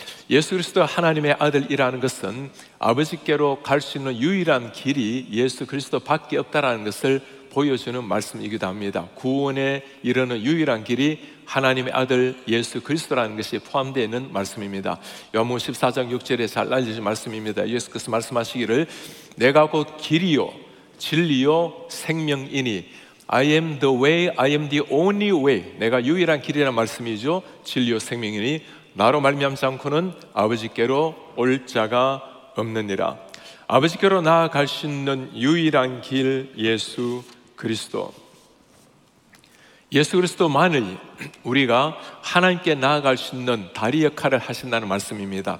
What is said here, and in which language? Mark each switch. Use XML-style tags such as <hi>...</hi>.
<ko>예수 그리스도 하나님의 아들이라는 것은 아버지께로 갈 수 있는 유일한 길이 예수 그리스도밖에 없다라는 것을 보여주는 말씀이기도 합니다. 구원에 이르는 유일한 길이 하나님의 아들 예수 그리스도라는 것이 포함되어 있는 말씀입니다. 요한복음 14장 6절에 잘 알려진 말씀입니다. 예수께서 말씀하시기를 내가 곧 길이요 진리요 생명이니</ko> <en>I am the way, I am the only way.</en> <ko>내가 유일한 길이라는 말씀이죠. 진리요 생명이니 나로 말미암지 않고는 아버지께로 올 자가 없느니라. 아버지께로 나아갈 수 있는 유일한 길 예수 그리스도. 예수 그리스도만을 우리가 하나님께 나아갈 수 있는 다리 역할을 하신다는 말씀입니다.</ko>